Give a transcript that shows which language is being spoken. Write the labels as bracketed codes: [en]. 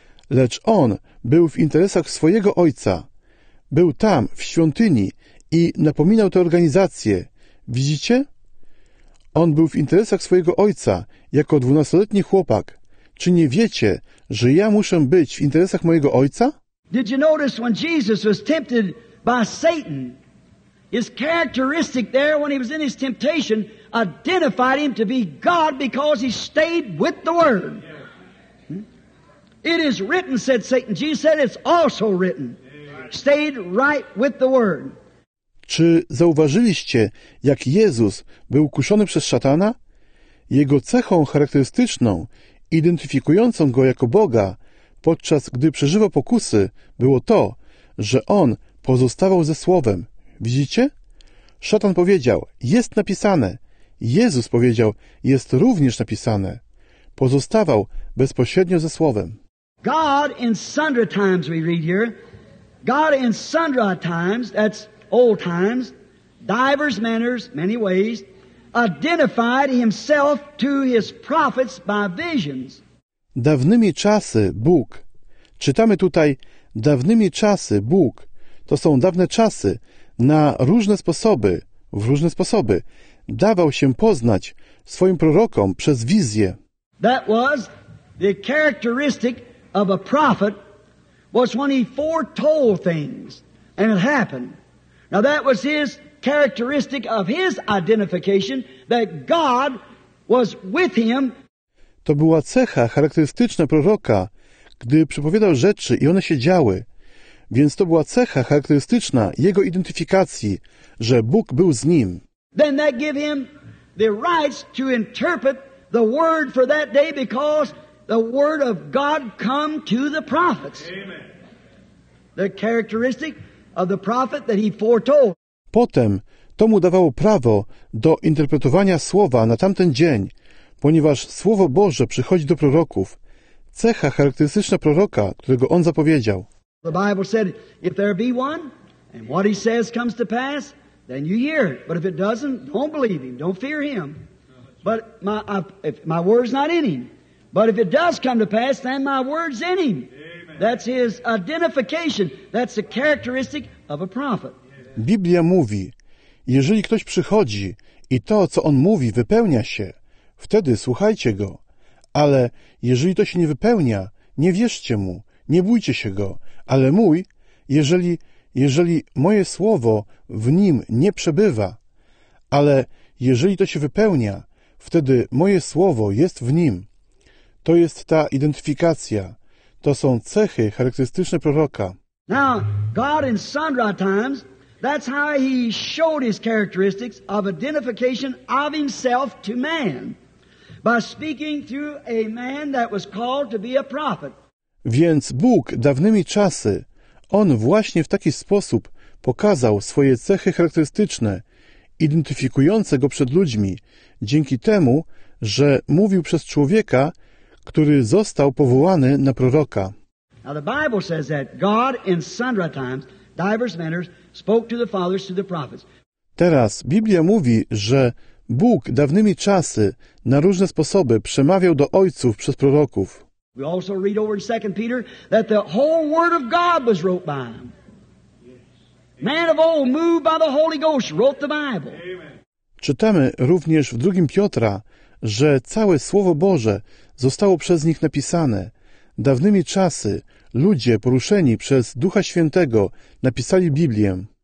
[pl] Lecz on był w interesach swojego ojca. Był tam, w świątyni i napominał tę organizację. Widzicie? On był w interesach swojego ojca, jako 12-letni chłopak. Czy nie wiecie, że ja muszę być w interesach mojego ojca? [en] Did you notice when Jesus was tempted by Satan, His characteristic there when he was in his temptation identified him to be God because he stayed with the Word. It is written, said Satan. Jesus said, it's also written. Stayed right with the Word. [pl] Czy zauważyliście, jak Jezus był kuszony przez szatana? Jego cechą charakterystyczną, identyfikującą go jako Boga, podczas gdy przeżywał pokusy, było to, że on pozostawał ze Słowem. Widzicie? Szatan powiedział, jest napisane. Jezus powiedział, jest również napisane. Pozostawał bezpośrednio ze Słowem. [en] God in sundry times, we read here. God in sundry times, that's old times, divers manners, many ways, identified himself to his prophets by visions. [pl] Dawnymi czasy Bóg. Czytamy tutaj, dawnymi czasy Bóg. To są dawne czasy. Na różne sposoby, w różne sposoby, dawał się poznać swoim prorokom przez wizję. [en] That was the characteristic of a prophet, was when he foretold things and it happened. Now that was his characteristic of his identification, that God was with him. [pl] To była cecha charakterystyczna proroka, gdy przepowiadał rzeczy i one się działy. Więc to była cecha charakterystyczna jego identyfikacji, że Bóg był z nim. [en] Then that gave him the rights to interpret the word for that day because the word of God come to the prophets. Amen. The characteristic of the prophet that he foretold. [pl] Potem to mu dawało prawo do interpretowania słowa na tamten dzień, ponieważ Słowo Boże przychodzi do proroków. Cecha charakterystyczna proroka, którego on zapowiedział. [en] The Bible said, if there be one, and what he says comes to pass, then you hear it. But if it doesn't, don't believe him. Don't fear him. But my word's not in him. But if it does come to pass, then my word's in him. Amen. That's his identification. That's the characteristic of a prophet. [pl] Biblia mówi, jeżeli ktoś przychodzi i to, co on mówi, wypełnia się, wtedy słuchajcie go. Ale jeżeli to się nie wypełnia, nie wierzcie mu. Nie bójcie się go, ale mój, jeżeli moje słowo w nim nie przebywa, ale jeżeli to się wypełnia, wtedy moje słowo jest w nim. To jest ta identyfikacja. To są cechy charakterystyczne proroka. [en] Now, God in sundry times, that's how he showed his characteristics of identification of himself to man, by speaking through a man that was called to be a prophet. [pl] Więc Bóg dawnymi czasy, on właśnie w taki sposób pokazał swoje cechy charakterystyczne, identyfikujące go przed ludźmi, dzięki temu, że mówił przez człowieka, który został powołany na proroka. [en] Now the Bible says that God in sundry times, divers manners, spoke to the fathers through the prophets. [pl] Teraz Biblia mówi, że Bóg dawnymi czasy na różne sposoby przemawiał do ojców przez proroków. [en] We also read over in 2 Peter that the whole word of God was wrote by him. Man of old, moved by the Holy Ghost, wrote the Bible. [pl] Czytamy również w 2 Piotra, że całe Słowo Boże zostało przez nich napisane. Dawnymi czasy ludzie poruszeni przez Ducha Świętego napisali Biblię.